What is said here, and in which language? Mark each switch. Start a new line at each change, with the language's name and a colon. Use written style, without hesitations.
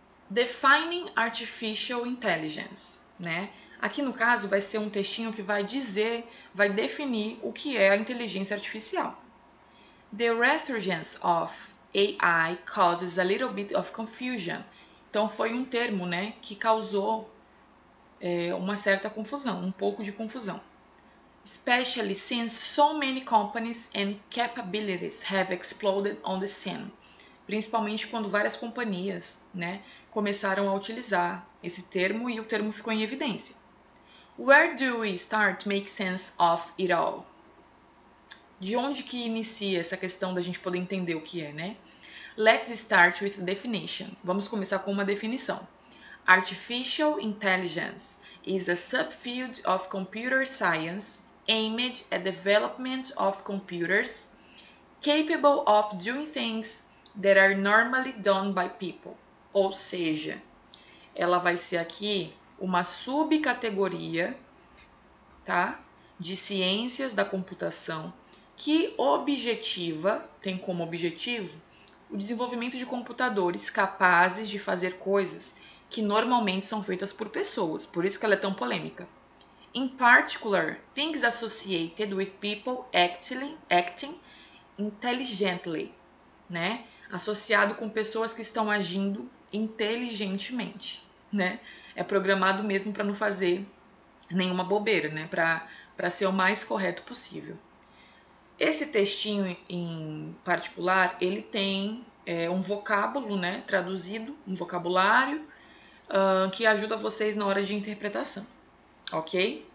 English: Defining artificial intelligence, né?
Portuguese: Aqui, no caso, vai ser um textinho que vai dizer, vai definir o que é a inteligência artificial,
English: The resurgence of AI causes a little bit of confusion.
Portuguese: Então, foi um termo, né, que causou uma certa confusão, um pouco de confusão.
English: Especially since so many companies and capabilities have exploded on the scene.
Portuguese: Principalmente quando várias companhias, né, começaram a utilizar esse termo e o termo ficou em evidência.
English: Where do we start to make sense of it all?
Portuguese: De onde que inicia essa questão da gente poder entender o que é, né?
English: Let's start with a definition.
Portuguese: Vamos começar com uma definição.
English: Artificial intelligence is a subfield of computer science aimed at development of computers capable of doing things that are normally done by people.
Portuguese: Ou seja, ela vai ser aqui uma subcategoria, tá, de ciências da computação que objetiva, tem como objetivo, o desenvolvimento de computadores capazes de fazer coisas que normalmente são feitas por pessoas. Por isso que ela é tão polêmica.
English: In particular, things associated with people acting intelligently, né?
Portuguese: Associado com pessoas que estão agindo inteligentemente, né? É programado mesmo para não fazer nenhuma bobeira, né? Para ser o mais correto possível. Esse textinho em particular, ele tem um vocábulo, né, traduzido, um vocabulário que ajuda vocês na hora de interpretação, ok?